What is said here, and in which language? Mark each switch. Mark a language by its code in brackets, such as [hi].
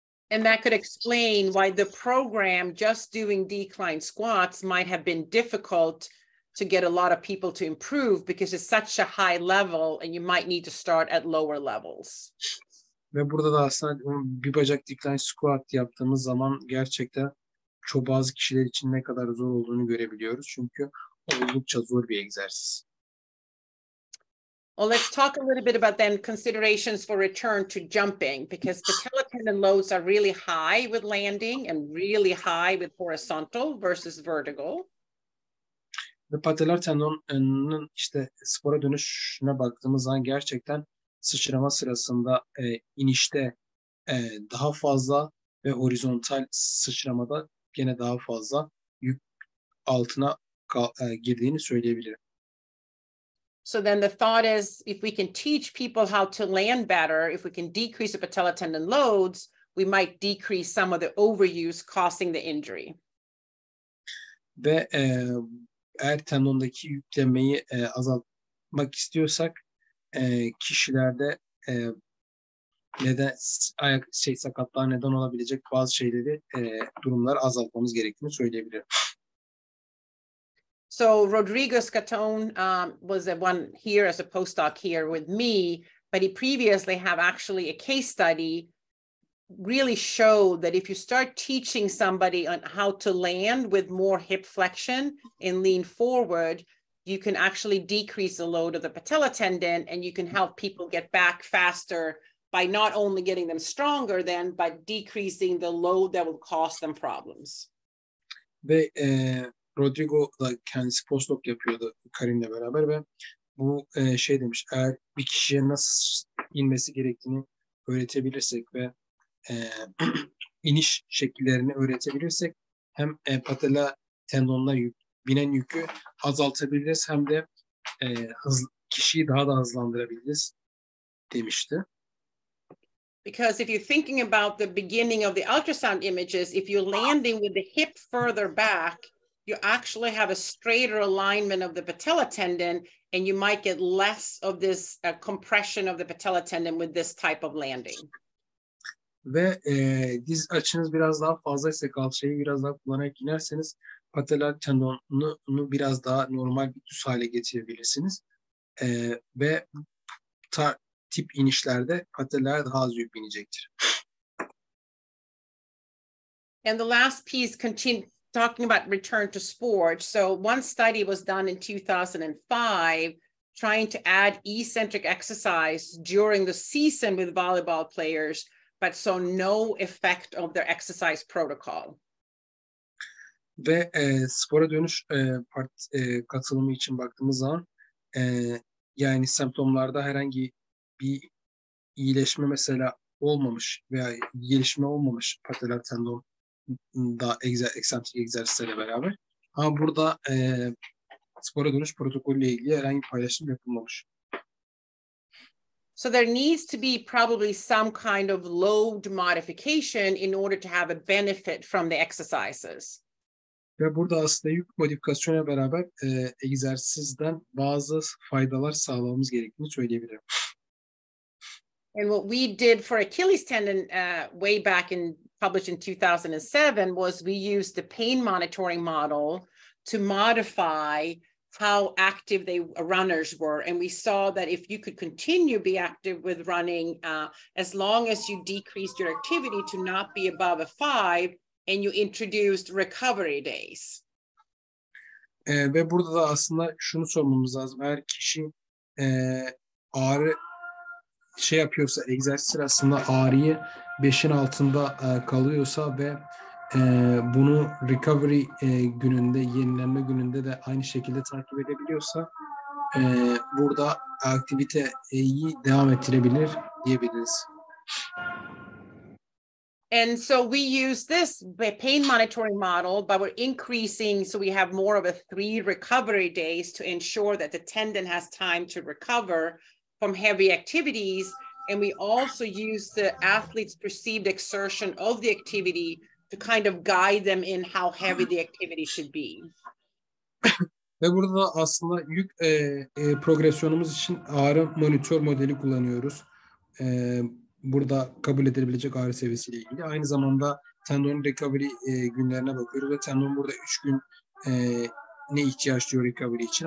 [en] And that could explain why the program just doing decline squats might have been difficult to get a lot of people to improve because it's such a high level and you might need to start at lower levels. [tr] Ve burada da aslında bir bacak decline squat yaptığımız zaman gerçekten çok bazı kişiler için ne kadar zor olduğunu görebiliyoruz. Çünkü oldukça zor bir egzersiz. [en] Well, let's talk a little bit about then considerations for return to jumping because patellar tendon loads are really high with landing and really high with horizontal versus vertical. [tr] The patellar tendon'un işte spora dönüşüne baktığımız zaman gerçekten sıçrama sırasında inişte daha fazla ve horizontal sıçramada gene daha fazla yük altına girdiğini söyleyebilirim. [en] So then the thought is, if we can teach people how to land better, if we can decrease the patella tendon loads, we might decrease some of the overuse causing the injury. [tr] Ve eğer tendondaki yüklemeyi azaltmak istiyorsak, kişilerde neden ayak sakatlığa neden olabilecek bazı şeyleri durumları azaltmamız gerektiğini söyleyebilirim. [en] So Rodrigo Scatone was the one here as a postdoc here with me, but he previously have actually a case study really show that if you start teaching somebody on how to land with more hip flexion and lean forward, you can actually decrease the load of the patella tendon and you can help people get back faster by not only getting them stronger then, but decreasing the load that will cause them problems. [tr] Ve Rodrigo da kendisi postdoc yapıyordu Karin'le beraber ve bu şey demiş, eğer bir kişiye nasıl inmesi gerektiğini öğretebilirsek ve iniş şekillerini öğretebilirsek hem patella tendonuna binen yükü azaltabiliriz hem de kişiyi daha da hızlandırabiliriz demişti. [en] Because if you're thinking about the beginning of the ultrasound images, if you're landing with the hip further back, you actually have a straighter alignment of the patella tendon and you might get less of this compression of the patella tendon with this type of landing. [tr] Ve diz açınız biraz daha fazlaysa, kalçayı biraz daha kullanarak inerseniz patellar tendonunu biraz daha normal bir düz hale getirebilirsiniz. Ve tip inişlerde patellar daha az yük binecektir. [en] And the last piece talking about return to sport. So one study was done in 2005 trying to add eccentric exercise during the season with volleyball players, but saw no effect of their exercise protocol. [tr] Ve spora dönüş katılımı için baktığımız zaman yani semptomlarda herhangi bir iyileşme mesela olmamış veya gelişme olmamış patellar tendonunda eksentrik egzersizlerle beraber. Ama burada spora dönüş protokolüyle ilgili herhangi bir paylaşım yapılmamış. [en] So there needs to be probably some kind of load modification in order to have a benefit from the exercises. [tr] Ve burada aslında yük modifikasyonuyla beraber egzersizden bazı faydalar sağlamamız gerektiğini söyleyebilirim. [en] And what we did for Achilles tendon way back in published in 2007 was we used the pain monitoring model to modify how active the runners were. And we saw that if you could continue be active with running, as long as you decreased your activity to not be above a 5 and you introduced recovery days. [tr] Ve burada da aslında şunu sormamız lazım. Eğer kişi ağrı şey yapıyorsa, egzersiz sırasında ağrıyı 5'in altında kalıyorsa ve bunu recovery gününde, yenilenme gününde de aynı şekilde takip edebiliyorsa burada aktiviteyi devam ettirebilir diyebiliriz. [en] And so we use this pain monitoring model, but we're increasing so we have more of a 3 recovery days to ensure that the tendon has time to recover from heavy activities, and we also use the athlete's perceived exertion of the activity to kind of guide them in how heavy the activity should be. [tr] Ve burada da aslında yük progresyonumuz için ağrı monitör modeli kullanıyoruz. Burada kabul edilebilecek ağrı seviyesiyle ilgili. Aynı zamanda tendon recovery günlerine bakıyoruz ve tendon burada 3 gün ne ihtiyaç duyuyor recovery için.